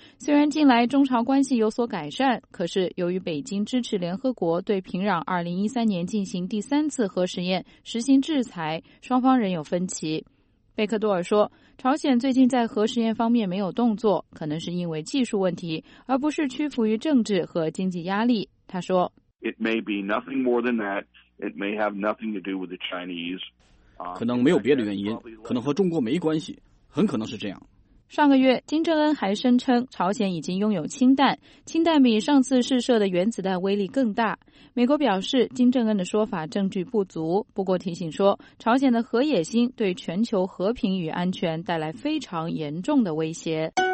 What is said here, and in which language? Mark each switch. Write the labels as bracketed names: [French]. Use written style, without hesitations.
[Chinese] 虽然近来中朝关系有所改善，可是由于北京支持联合国对平壤2013年进行第3次核实验实行制裁，双方仍有分歧。贝克多尔说，朝鲜最近在核实验方面没有动作，可能是因为技术问题，而不是屈服于政治和经济压力。他说， [English] It may be nothing more than that. It may have nothing to do with the Chinese. [Chinese] 可能没有别的原因，可能和中国没关系，很可能是这样。上个月，金正恩还声称朝鲜已经拥有氢弹，氢弹比上次试射的原子弹威力更大。美国表示，金正恩的说法证据不足，不过提醒说，朝鲜的核野心对全球和平与安全带来非常严重的威胁。